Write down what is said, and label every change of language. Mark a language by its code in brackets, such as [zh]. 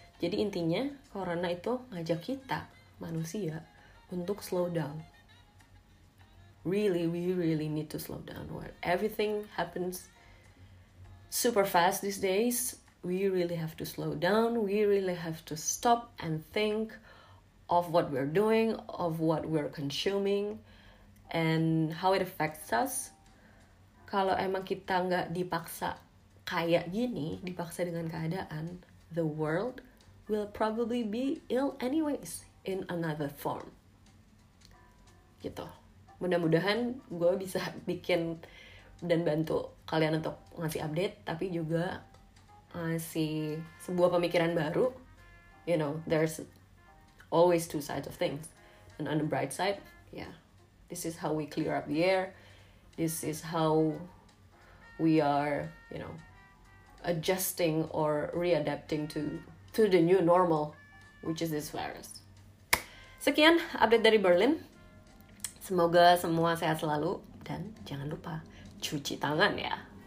[id] Jadi intinya, corona itu ngajak kita, manusia, untuk [en] slow down. Really, we really need to slow down. Where everything happens super fast these days, we really have to slow down. We really have to stop and think of what we're doing, of what we're consuming, and how it affects us. [id] Kalau emang kita nggak dipaksa kayak gini, dipaksa dengan keadaan, [en] the world will probably be ill anyways in another form. [id] Gitu. Mudah-mudahan gue bisa bikin dan bantu kalian untuk ngasih update, tapi juga ngasih sebuah pemikiran baru. [en] You know, there's always two sides of things. And on the bright side, yeah, this is how we clear up the air. This is how we are, you know, adjusting or readapting to the new normal, which is this virus. [id] Sekian update dari Berlin. Semoga semua sehat selalu, dan jangan lupa cuci tangan ya.